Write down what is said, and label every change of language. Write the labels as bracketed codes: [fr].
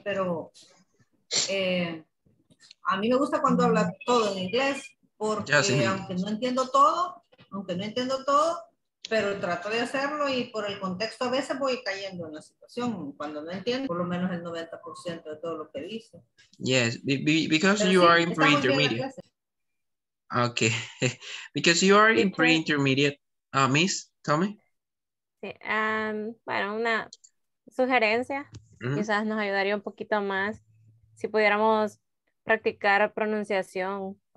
[es] Pero a mí me gusta cuando habla todo en inglés, porque ya, sí, aunque no entiendo todo, pero trato de hacerlo y por el contexto a veces voy cayendo en la situación cuando no entiendo por lo menos el 90% de todo lo que dice. [en] Yes, because pero you sí, are in pre-intermediate. Okay, because you are in pre-intermediate, Miss, tell me. [es] Sí, bueno, una sugerencia, quizás nos ayudaría un poquito más si pudiéramos practicar pronunciación.